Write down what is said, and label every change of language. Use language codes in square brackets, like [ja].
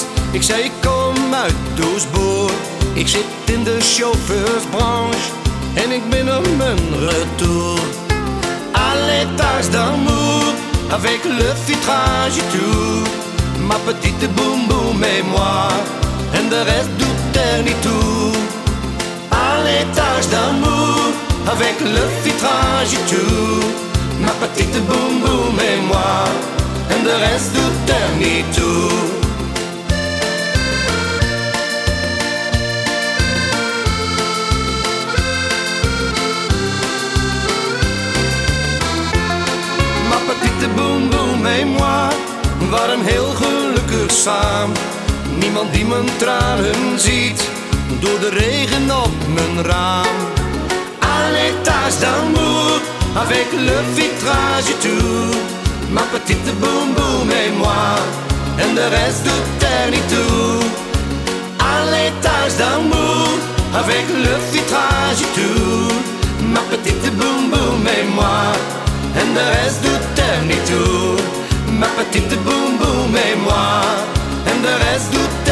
[nl] Ik zei ik kom uit Doesburg. Ik zit in de chauffeursbranche en ik ben op mijn retour. [fr] A l'étage d'amour, avec le vitrage tout. Ma petite Boom Boom et moi, [nl] en de rest doet er niet toe. [fr] A l'étage d'amour, avec le vitrage tout. Ma petite Boom Boom et moi, [nl] en de rest doet er niet toe. Boom Boom et moi, we waren heel gelukkig samen. Niemand die mijn tranen ziet, door de regen op mijn raam. [fr] A l'étage d'amour, avec le vitrage tout. Ma petite Boom Boom et moi, [nl] en de rest doet er niet toe. [fr] A l'étage d'amour, avec le vitrage tout. Ma petite Boom Boom et moi, [nl] en de rest doet er niet toe. Ma petite Boom Boom et moi, en de rest doet er niet toe.